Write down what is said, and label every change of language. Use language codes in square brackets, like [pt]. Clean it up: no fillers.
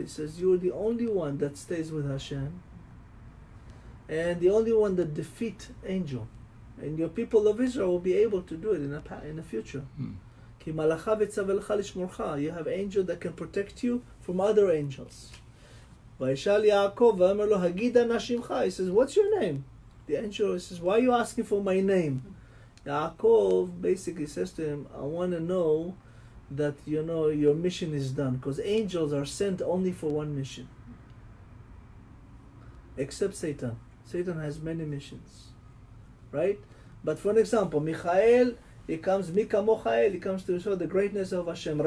[en] He says, you are the only one that stays with Hashem. And the only one that defeat angel. And your people of Israel will be able to do it in the future. [he] Ki malacha ve'tzavelcha lishmurcha. [en] You have angel that can protect you from other angels. [he] וישאל יעקב ואמר לו הגיד אנא שמך. [en] He says, what's your name? The angel says, why are you asking for my name? יעקב basically says to him, I want to know that, you know, your mission is done, because angels are sent only for one mission, except Satan. Satan has many missions, right? But for an example, Michael, he comes, [he] מי כמוך אל, [en] he comes to show the greatness of Hashem.